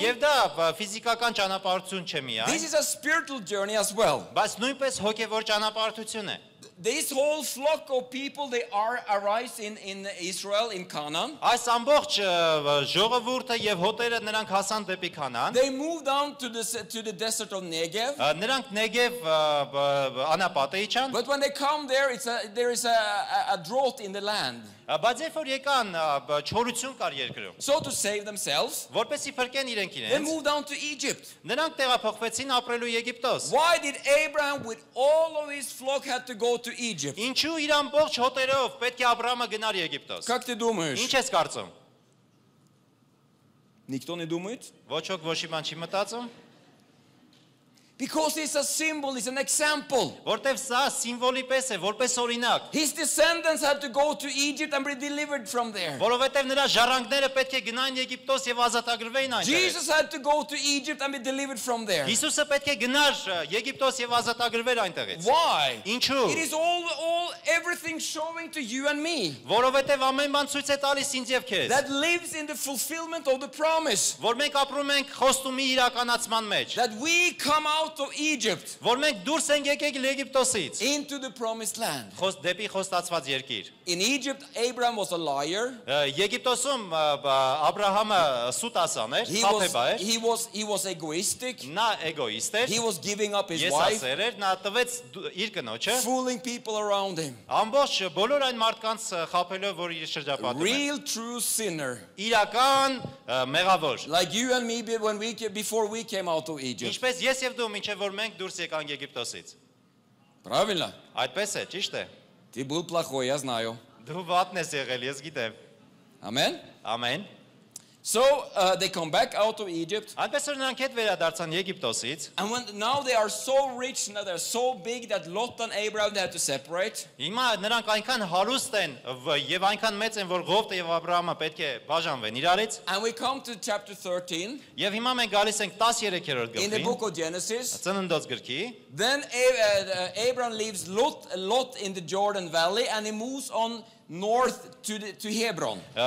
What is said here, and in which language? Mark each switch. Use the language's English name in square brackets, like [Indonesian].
[Armenian] Եվ դա ֆիզիկական ճանապարհություն չէ միայն. [English] This is a spiritual journey as well. [Armenian] Բայց նույնպես հոգևոր ճանապարհություն է. [English] This whole flock of people they are arise in Israel in Canaan. [Armenian] Այս ամբողջ ժողովուրդը եւ հոտերը նրանք հասան դեպի Կանան. [English] They moved down to the desert of Negev. [Armenian] Նրանք Նեգև անապատեի չան. [English] But when they come there there is a drought in the land. [Armenian] Բայց երբ որ եկան չորություն կար երկրում. [English] So to save themselves. [Armenian] Որպեսզի փրկեն իրենք իրենց. [English] They moved down to Egypt. [Armenian] Նրանք տեղափոխվեցին ապրելու Եգիպտոս. [English] Why did Abraham with all of his flock had to go to Egypt? [Armenian] Ինչու իր ամբողջ հոտերով պետք է Աբրամը գնար Եգիպտոս? [Russian] Как ты думаешь? [Armenian] Ինչ ես կարծում? [Russian] Никто не думает? [Armenian] Ոչ ոք ոչ իման չի մտածում. [English] Because it's a symbol, it's an example. [Armenian] Որտեվ սա սիմվոլի պես է, որպես օրինակ. [English] His descendants had to go to Egypt and be delivered from there. [Armenian] Որովհետև նրա ժառանգները պետք է գնային Եգիպտոս եւ ազատագրվեին այնտեղ. [English] Jesus had to go to Egypt and be delivered from there. [Armenian] Հիսուսը պետք է գնար Եգիպտոս եւ ազատագրվեր այնտեղից. [English] Why? [Armenian] Ինչու? [English] It is all everything showing to you and me. [Armenian] Որովհետև ամեն բան ցույց է տալիս ինձ եւ քեզ. [English] That lives in the fulfillment of the promise. [Armenian] Որ մենք ապրում ենք խոստումի իրականացման մեջ. [English] That we come out of Egypt. [Armenian] Որ մենք դուրս ենք եկել Եգիպտոսից. [English] Into the promised land. [Armenian] Խոս դեպի խոստացված երկիր. [English] In Egypt Abraham was a liar. [Armenian] Եգիպտոսում Աբրահամը սուտ ասան էր, խաբեբա էր. [English] He was egoistic. [Armenian] Նա էգոիստ էր. [English] He was giving up his wife. [Armenian] Ես ասեր էր, նա տվեց իր կնոջը. [English] Fooling people around him. [Armenian] Ամբողջ բոլոր այն մարդկանց խաբելով, որ իր շրջապատում [English] էր. Real true sinner. [Armenian] Իրական մեղավոր. [English] Like you and me before we came out of Egypt. [Armenian] Ինչպես ես եւ դու ինչեւ որ մենք դուրս եկանք Եգիպտոսից. [Russian] Правильно? [Armenian] Այդպես է, ճիշտ է. [Russian] Ты был плохой, я знаю. [Armenian] Դու վատն ես եղել, ես գիտեմ. [English] Amen. [Armenian] Amen. [English] So they come back out of Egypt. [Armenian] Այդպես որ նրանք հետ վերադարձան Եգիպտոսից. [English] And when now they are so rich, now they are so big that Lot and Abraham they had to separate. [Armenian] Հիմա նրանք այնքան հարուստ են եւ այնքան մեծ են, որ Ղովտը եւ Աբրահամը պետք է բաժանվեն իրարից. [English] And we come to chapter 13. [Armenian] Եվ հիմա մենք գալիս ենք 13-րդ գլխին. [English] In the book of Genesis. [Armenian] Ծննդոց գրքի. [English] Then Abraham leaves Lot in the Jordan Valley and he moves on north to Hebron.